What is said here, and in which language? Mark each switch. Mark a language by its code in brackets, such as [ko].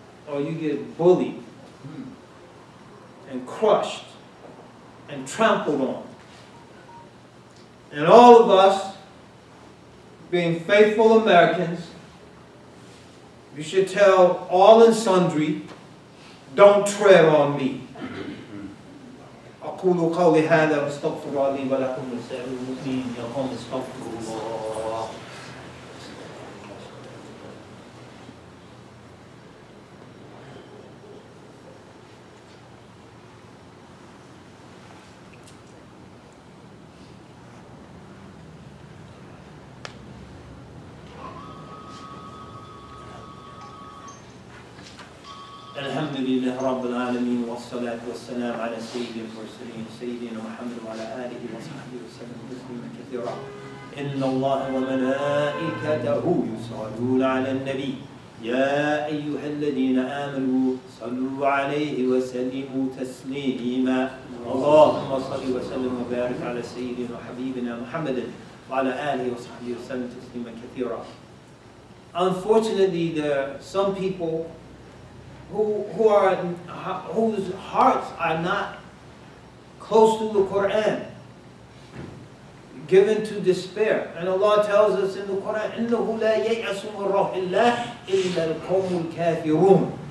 [en] Or you get bullied and crushed and trampled on. And all of us, being faithful Americans, you should tell all and sundry, don't tread on me. [ar] أقول قولي هذا واستغفر لي ولكم وسائر المؤمنين يقوم استغفر الله. الحمد لله رب العالمين والصلاة والسلام على سيد المرسلين سيدنا محمد وعلى آله وصحبه وسلم تسليما كثيرا إن الله وملائكته يصلون على النبي يا أيها الذين آمنوا صلوا عليه وسلموا تسليما اللهم صل وسلم وبارك على سيدنا وحبيبنا محمد وعلى آله وصحبه وسلم تسليما كثيرا. [en] Unfortunately, there are some people whose hearts are not close to the Quran, given to despair. And Allah tells us in the Quran, [ar] إِنَّهُ لَا يَيْأَسُ مِنْ رَوْحِ اللَّهِ إِلَّا الْقَوْمُ الْكَافِرُونَ.